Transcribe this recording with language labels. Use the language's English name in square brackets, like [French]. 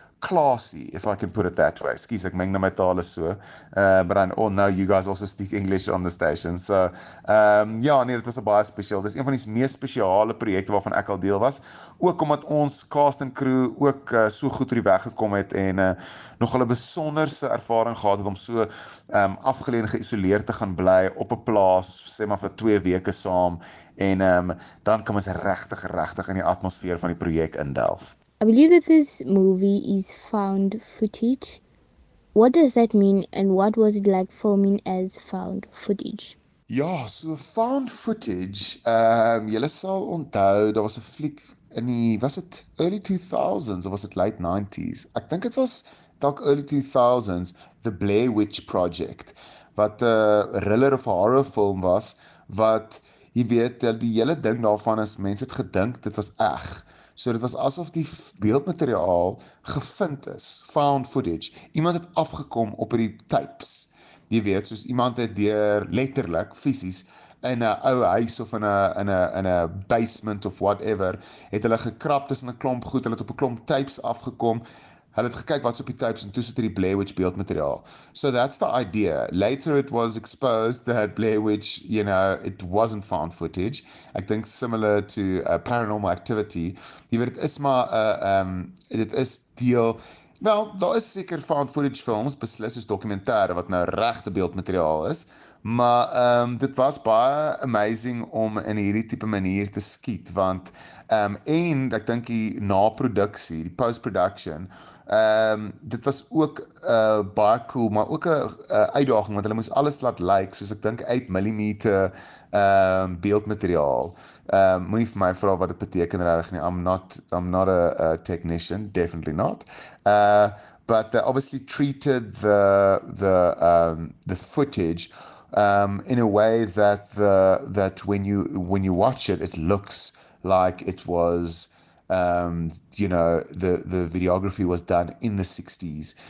[English] classy, if I can put it that way. Excuse, [Afrikaans] ek meng nou my tale so. [English] But I all know you guys also speak English on the station. [Afrikaans] So, ja, nee, dit was 'n baie spesiaal. Dis een van die mees spesiale projekte waarvan ek al deel was. Ook omdat ons cast en crew ook so goed op die weg gekom het en nog 'n besonderse ervaring gehad het om so afgeleë en geïsoleerd te gaan bly op 'n plaas, sê maar vir 2 weke saam. En dan kom ons regtig, regtig in die atmosfeer van die projek indelf. [English] I believe that this movie is found footage. What does that mean and what was it like filming as found footage? [Afrikaans] Ja, so found footage. Julle sal onthou, daar was 'n fliek in die, was dit early 2000s of [English] was it late 90s? [Afrikaans] Ek dink dit was dalk early 2000s, The Blair Witch Project, wat 'n thriller of horror film was, wat jy weet, die hele ding daarvan is mense het gedink dit was eg. So dit was asof die beeldmateriaal gevind is, found footage. Iemand het afgekom op die tapes. Jy weet, soos iemand het deur letterlik fisies in 'n ou huis of in 'n basement of whatever, het hulle gekrap tussen 'n klomp goed, hulle het op 'n klomp tapes afgekom. Hulle het gekyk wat's op die tapes en toe sit hierdie Blair Witch beeldmateriaal. [English] So that's the idea. Later it was exposed that Blair Witch, you know, it wasn't found footage. I think similar to Paranormal Activity. [Afrikaans] Jy weet, dit is maar dit is deel. Wel, daar is seker found footage films, beslis is dokumentêre wat nou regte beeldmateriaal is. Maar dit was baie amazing om in hierdie tipe manier te skiet, want en ek dink die naproduksie, die post-production, dit was ook baie cool, maar ook 'n uitdaging, want hulle moes alles laat lyk soos ek dink 8 mm beeldmateriaal. Moenie vir my vra wat dit beteken regtig nie. [English] I'm not a technician, definitely not. But they obviously treated the footage in a way that when you watch it, it looks like it was, you know, the videography was done in the 60s.